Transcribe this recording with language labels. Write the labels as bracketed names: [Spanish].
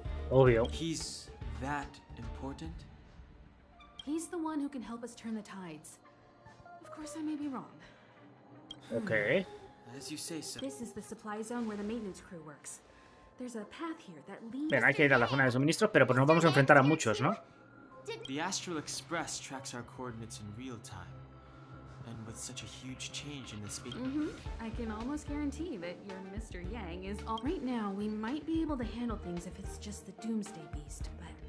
[Spanish] Obvio. [English] He's that important? He's the one who can help us turn the tides. Of course, I may be wrong. Okay. As you say, sir. This is the supply zone where the maintenance crew works. There's a path here that leads. [Spanish] Bien, hay que ir a la zona de suministros, pero pues nos vamos a enfrentar a muchos, ¿no? [English] The Astral Express tracks our coordinates in real time, and with such a huge change in the speed. Mm-hmm. I can almost guarantee that your Mr. Yang is all right now. We might be able to handle things if it's just the Doomsday Beast, but.